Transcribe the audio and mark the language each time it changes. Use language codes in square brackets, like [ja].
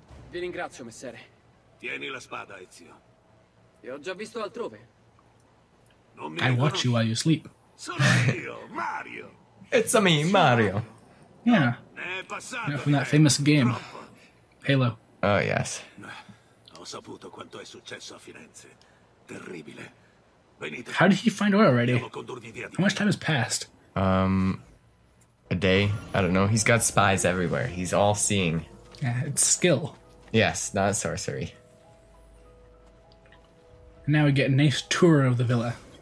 [it] Ti ringrazio, messere. Tieni la spada, Ezio. Io ho già visto altrove. [en] I watch you while you sleep. Mario. It's a me, Mario. Yeah. Yeah, from that famous game, Halo. Oh yes. [it] Ho saputo quanto è successo a Firenze. Terribile. [en] How did he find oil already? How much time has passed? A day? I don't know. He's got spies everywhere. He's all seeing. Yeah, it's skill. Yes, not sorcery. Now we get a nice tour of the villa.